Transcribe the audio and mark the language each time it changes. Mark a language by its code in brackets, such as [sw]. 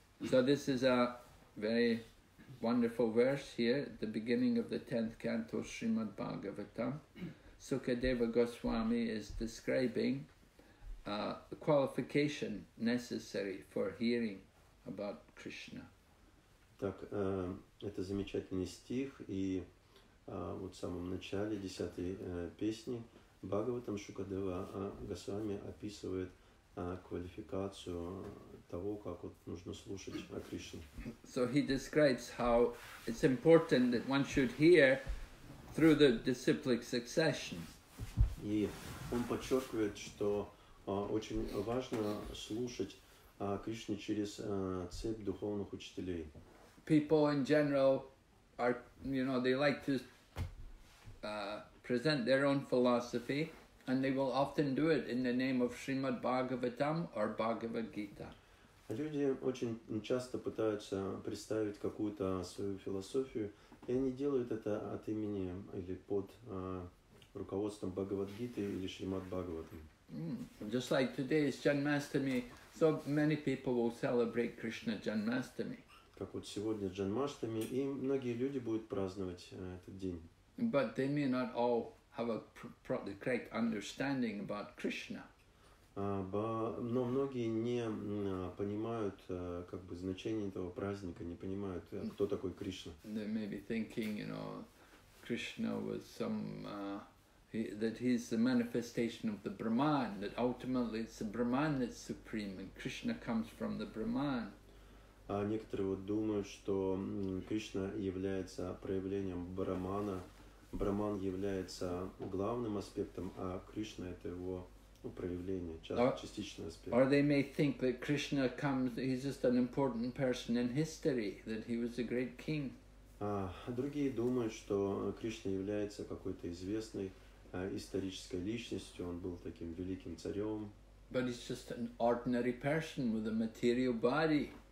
[en] So this is a very wonderful verse here, the beginning of the 10th canto Srimad Bhagavatam. Sukadeva Goswami is describing the qualification necessary for hearing about Krishna. [ru] Так, это замечательный стих, и вот в самом начале 10-й песни Бхагаватам Сукадева Госвами описывает квалификацию того, как вот нужно слушать о Кришне. [en] So he describes how it's important that one should hear through the disciplic succession. [ru] И он подчеркивает, что очень важно слушать о Кришне через цепь духовных учителей. [en] People in general are, you know, they like to present their own philosophy. And they will often do it in the name of Srimad Bhagavatam or Bhagavad Gita. [ru] Люди очень часто пытаются представить какую-то свою философию, и они делают это от имени или под руководством Бхагавад Гиты или Шримад Бхагаватам. [en] Just like today is Janmashtami, so many people will celebrate Krishna Janmashtami. [ru] Как вот сегодня Janmashtami, и многие люди будут праздновать этот день. [en] But they may not all have a correct understanding about Krishna. [ru] Но многие не понимают как бы значение этого праздника, не понимают, кто такой Кришна. [en] They may be thinking, you know, Krishna was some that he's the manifestation of the Brahman, that ultimately it's the Brahman that's supreme, and Krishna comes from the Brahman. [ru] А некоторые вот думают, что Кришна является проявлением Брахмана. Брахман является главным аспектом, а Кришна это его проявление, частичный аспект. [en] Or they may think that Krishna comes, he's just an important person in history, that he was a great king. [ru] А другие думают, что Кришна является какой-то известной исторической личностью, он был таким великим царем. [en] But he's just an ordinary person with a material body.